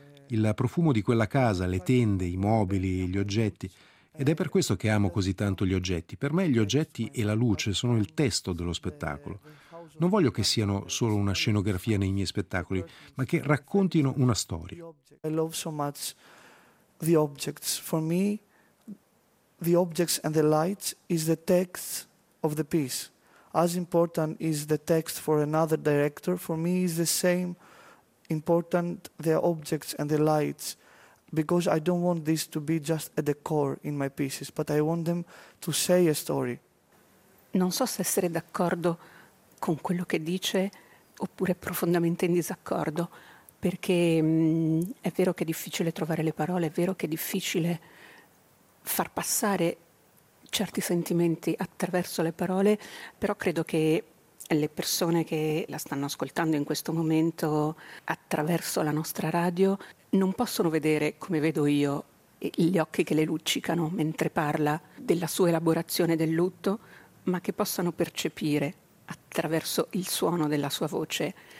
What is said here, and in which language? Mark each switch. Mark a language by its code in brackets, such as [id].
[it] Il profumo di quella casa, le tende, i mobili, gli oggetti. Ed è per questo che amo così tanto gli oggetti. Per me gli oggetti e la luce sono il testo dello spettacolo. Non voglio che siano solo una scenografia nei miei spettacoli, ma che raccontino una storia. [en] I love so much the objects. For me, the objects and the light is the text of the piece. As important is the text for another director, for me is the same important the objects and the lights, because I don't want this to be just a decor in my pieces, but I want them to say a story. [it] Non so se essere d'accordo con quello che dice oppure profondamente in disaccordo, perché è vero che è difficile trovare le parole, è vero che è difficile far passare certi sentimenti attraverso le parole, però credo che le persone che la stanno ascoltando in questo momento attraverso la nostra radio non possono vedere, come vedo io, gli occhi che le luccicano mentre parla della sua elaborazione del lutto, ma che possano percepire attraverso il suono della sua voce,